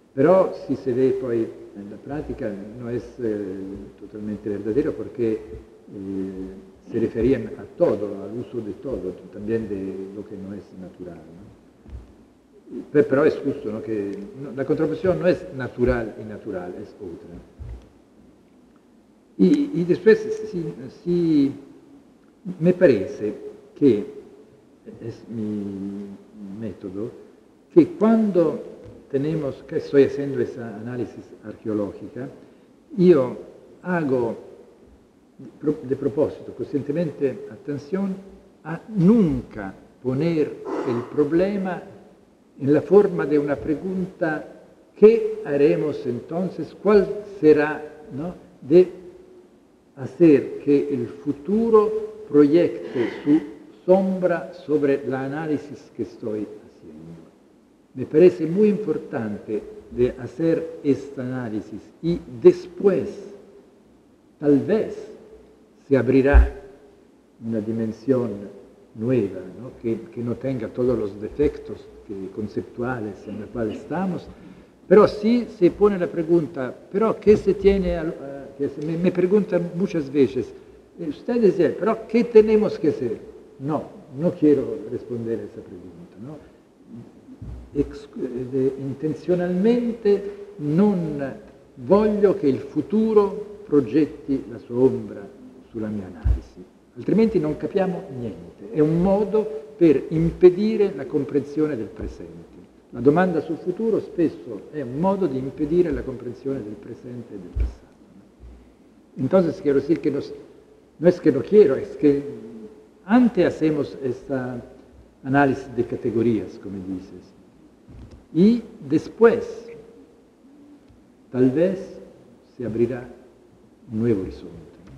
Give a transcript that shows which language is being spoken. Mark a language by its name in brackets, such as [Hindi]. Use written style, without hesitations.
[Spanish] Pero si se ve poi en la práctica, no es totalmente verdadero, porque se referían a todo, al uso de todo, también de lo que no es natural, ¿no? [Italian] Però è giusto, no? Che la contrapposizione non è naturale e naturale, è oltre. E poi si mi pare che è il mio metodo, che quando tenemos, che sto facendo questa analisi archeologica, io hago de proposito, coscientemente, attenzione a nunca poner il problema en la forma de una pregunta, ¿qué haremos entonces? [Spanish] ¿Cuál será, no? De hacer que el futuro proyecte su sombra sobre el análisis que estoy haciendo. Me parece muy importante de hacer este análisis y después, tal vez, se abrirá una dimensión nueva, ¿no? Que no tenga todos los defectos conceptuales en la cual estamos, pero sí se pone la pregunta, pero ¿qué se tiene? Me preguntan muchas veces, usted dice, pero ¿qué tenemos que hacer? No, no quiero responder a esa pregunta, ¿no? [Italian] Intencionalmente non voglio che il futuro progetti la sua ombra sulla mia analisi, altrimenti non capiamo niente, è un modo per impedire la comprensione del presente. La domanda sul futuro spesso è un modo di impedire la comprensione del presente e del passato. [Spanish] Entonces quiero decir que no es que no quiero, es que antes hacemos esta análisis de categorías, como dices, y después, tal vez, se abrirá un nuevo horizonte.